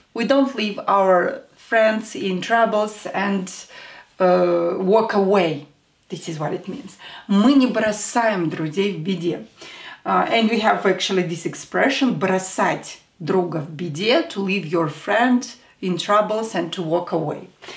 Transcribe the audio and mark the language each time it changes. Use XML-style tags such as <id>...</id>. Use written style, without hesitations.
<en>We don't leave our friends in troubles and walk away. This is what it means.</en> <ru>Мы не бросаем друзей в беде.</ru> <en>And we have actually this expression,</en> <ru>бросать друга в беде,</ru> <en>to leave your friend in troubles and to walk away.</en>